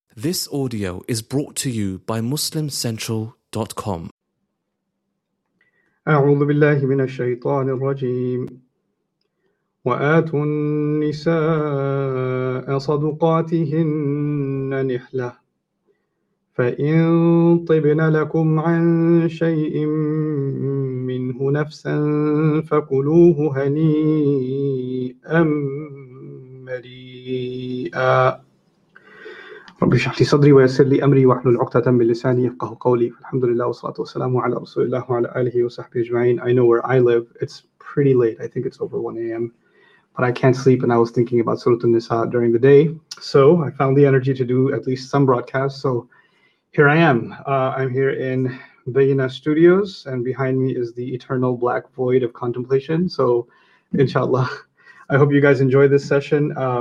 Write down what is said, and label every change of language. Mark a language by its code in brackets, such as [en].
[en] This audio is brought to you by MuslimCentral.com. [ar] أعوذ بالله من الشيطان الرجيم. وآتوا النساء صدقاتهن نحلة فإن طبن لكم عن شيء منه نفسا فكلوه هنيئا مريئا. رب اشرح لي صدري ويسر لي امري واحلل عقدة من لساني يفقه قولي. الحمد لله والصلاة والسلام على رسول الله وعلى اله وصحبه اجمعين. [en] I know where I live. It's pretty late. I think it's over 1 a.m. but I can't sleep and I was thinking about Surah An-Nisa during the day. So I found the energy to do at least some broadcast. So here I am. I'm here in Bayina Studios and behind me is the eternal black void of contemplation. So inshallah, I hope you guys enjoy this session.